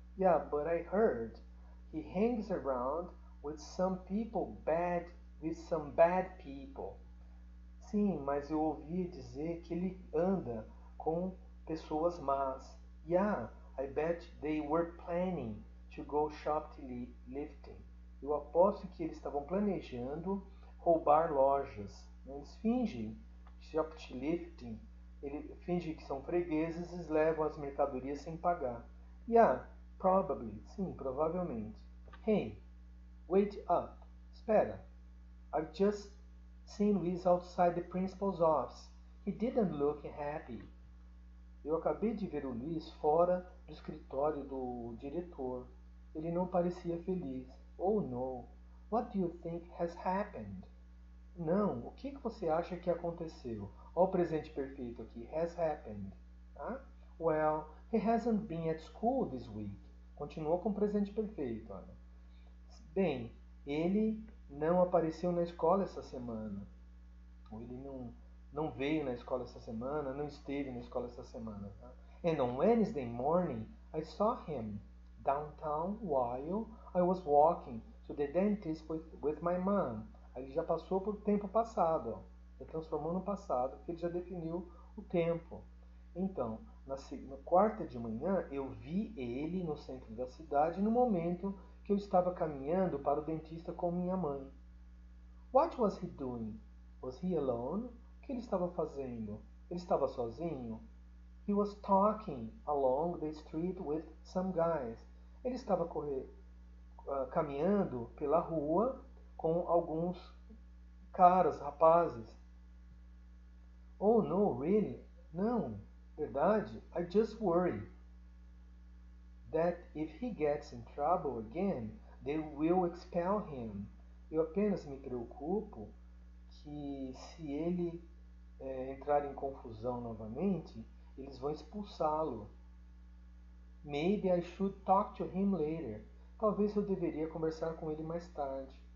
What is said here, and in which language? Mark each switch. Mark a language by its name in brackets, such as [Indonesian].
[English] Yeah, but I heard he hangs around with some bad people. [Portuguese] Sim, mas eu ouvi dizer que ele anda com pessoas más. [English] Yeah, I bet they were planning to go shoplifting. [Portuguese] Eu aposto que eles estavam planejando roubar lojas. Eles fingem shoplifting. Ele finge que são fregueses e levam as mercadorias sem pagar. [English] Yeah, probably. [Portuguese] Sim, provavelmente. [English] Hey, wait up. [Portuguese] Espera. [English] I've just seen Luis outside the principal's office. He didn't look happy. [Portuguese] Eu acabei de ver o Luis fora do escritório do diretor. Ele não parecia feliz. [English] Oh, no. What do you think has happened? [Portuguese] Não, o que você acha que aconteceu? Olha o presente perfeito aqui. Has happened. Ah? [English] Well, he hasn't been at school this week. [Portuguese] Continuou com o presente perfeito, Ana. Bem, ele não apareceu na escola essa semana. Ou ele não veio na escola essa semana, não esteve na escola essa semana. Tá? [English] And on Wednesday morning, I saw him downtown while I was walking to the dentist with my mom. [Portuguese] Ele já passou por tempo passado, ó. Já transformou no passado, porque ele já definiu o tempo. Então, na quarta de manhã, eu vi ele no centro da cidade no momento que eu estava caminhando para o dentista com minha mãe. [English] What was he doing? Was he alone? [Portuguese] O que ele estava fazendo? Ele estava sozinho? [English] He was talking along the street with some guys. [Portuguese] Ele estava caminhando pela rua com alguns caras, rapazes. [English] Oh, no, really? [Portuguese] Não, verdade? [English] I just worry that if he gets in trouble again, they will expel him. [Portuguese] Eu apenas me preocupo que se ele entrar em confusão novamente, eles vão expulsá-lo. [English] Maybe I should talk to him later. [Portuguese] Talvez eu deveria conversar com ele mais tarde.